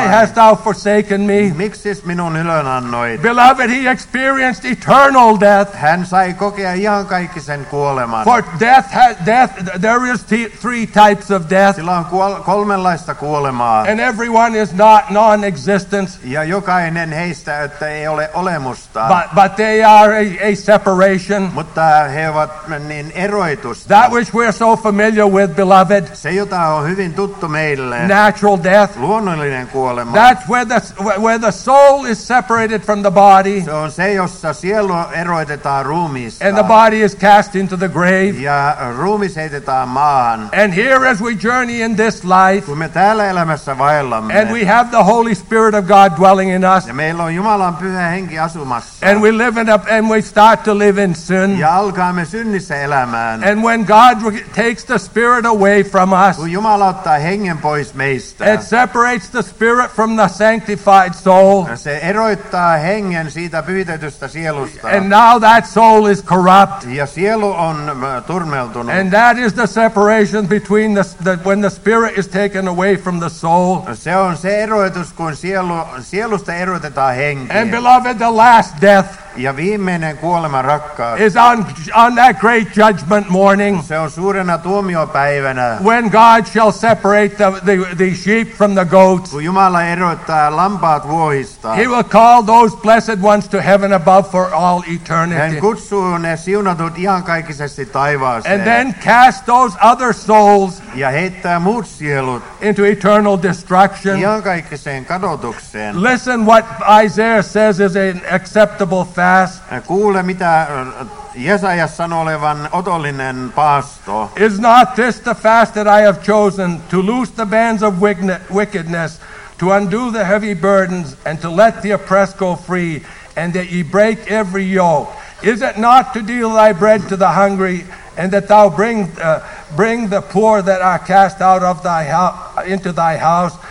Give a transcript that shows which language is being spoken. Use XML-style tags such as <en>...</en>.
<en>Why hast thou forsaken me?</en> <fi>Miksi minun ylön annoit?</fi> <en>Beloved, he experienced eternal death.</en> <fi>Hän sai kokea iankaikkisen kuoleman.</fi> <en>For death, there is three types of death.</en> <fi>Sillä on kolmenlaista kuolemaa.</fi> <en>And everyone is not non-existent.</en> <fi>Ja jokainen heistä, että ei ole olemusta.</fi> <en>But they are a separation.</en> <fi>Mutta he ovat niin eroitusta.</fi> <en>That which we are so familiar with, beloved.</en> <fi>Se, jota on hyvin tuttu meille.</fi> <en>Natural death.</en> <fi>Luonnollinen kuolema.</fi> <en>That's where the soul is separated from the body.</en> <fi>Se on se, jossa sielu eroitetaan ruumiista.</fi> <en>And the body is cast into the grave.</en> <fi>Ja ruumis heitetään maahan.</fi> <en>And here as we journey in this life,</en> <fi>kun me täällä elämässä vaellamme,</fi> <en>and we have the Holy Spirit of God dwelling in us,</en> <fi>ja meillä on Jumalan pyhä henki asumassa,</fi> <en>and we live in and we start to live in sin,</en> <fi>ja alkaamme synnissä elämään,</fi> <en>and when God takes the Spirit away from us,</en> <fi>kun Jumala ottaa hengen pois meistä,</fi> <en>it separates the Spirit from the sanctified soul,</en> <fi>ja se eroittaa hengen siitä pyhitetystä sielusta,</fi> <en>and now that soul is corrupt,</en> <fi>ja sielu on turmeltunut,</fi> <en>and that is the separation between when the spirit is taken away from the soul.</en> <fi>Se on se erotus, kun sielusta erotetaan henki.</fi> <en>And beloved, the last death,</en> <fi>ja viimeinen kuolema, rakkaat,</fi> <en>is on that great judgment morning.</en> <fi>Se on suurena tuomiopäivänä.</fi> <en>When God shall separate the sheep from the goats.</en> <fi>Kun Jumala erottaa lampaat vuohista.</fi> <en>He will call those blessed ones to heaven above for all eternity.</en> <fi>Hän kutsuu ne siunatut iankaikkisesti taivaaseen.</fi> <en>And then cast those other souls.</en> <fi>Ja heittää muut sielut.</fi> <en>Into eternal destruction.</en> <fi>Iankaikkiseen kadotukseen.</fi> <en>Listen what Isaiah says is an acceptable fast.</en> <fi>Kuule, mitä Jesaja sanoi olevan otollinen paasto.</fi> <en>Is not this the fast that I have chosen, to loose the bands of wickedness, to undo the heavy burdens, and to let the oppressed go free, and that ye break every yoke? Is it not to deal thy bread to the hungry, and that thou bring the poor that are cast out of thy into thy house?</en>